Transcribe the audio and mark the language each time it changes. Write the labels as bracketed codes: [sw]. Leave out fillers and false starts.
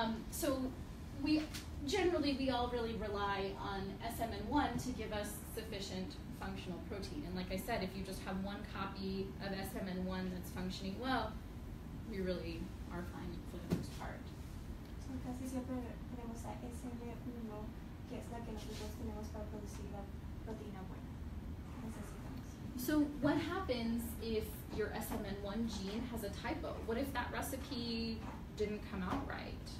[en] So we all really rely on SMN1 to give us sufficient functional protein. And like I said, if you just have one copy of SMN1 that's functioning well, we really are fine for the most part. [es] So casi siempre tenemos a SMN1, que es la que nosotros tenemos para producir la proteína buena. Necesitamos. [en] So what happens if your SMN1 gene has a typo? What if that recipe didn't come out right?